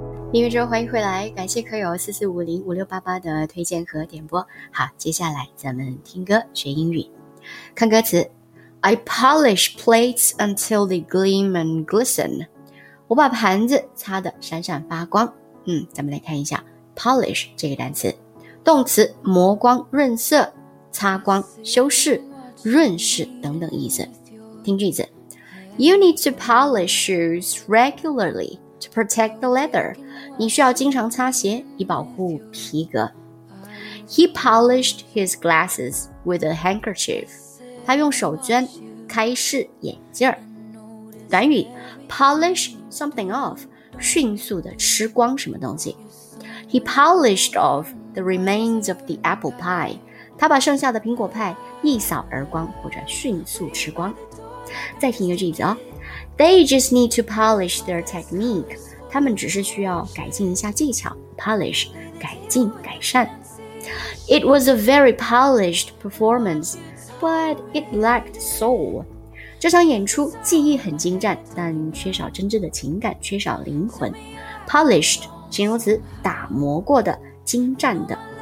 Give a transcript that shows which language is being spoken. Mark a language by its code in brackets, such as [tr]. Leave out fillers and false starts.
[zh] 音乐之后欢迎回来，感谢可有4450-5688的推荐和点播。好，接下来咱们听歌学英语，看歌词。 [en] I polish plates until they gleam and glisten. [zh] 我把盘子擦得闪闪发光。咱们来看一下 polish 这个单词，动词磨光润色，擦光、修饰、润饰等等意思。听句子 [en] ，You need to polish shoes regularly to protect the leather. [zh] 你需要经常擦鞋以保护皮革。 [en] He polished his glasses with a handkerchief. [zh] 他用手绢开饰眼镜。短语 [en] polish something off， [zh] 迅速的吃光什么东西。 [en] He polished off the remains of the apple pie. [zh] 他把剩下的苹果派一扫而光，或者迅速吃光。再听一个句子哦 [en] ，They just need to polish their technique. [zh] 他们只是需要改进一下技巧 ，polish 改进改善。 [en] It was a very polished performance, but it lacked soul. [zh] 这场演出技艺很精湛，但缺少真挚的情感，缺少灵魂。 Polished 形容词，打磨过的，精湛的。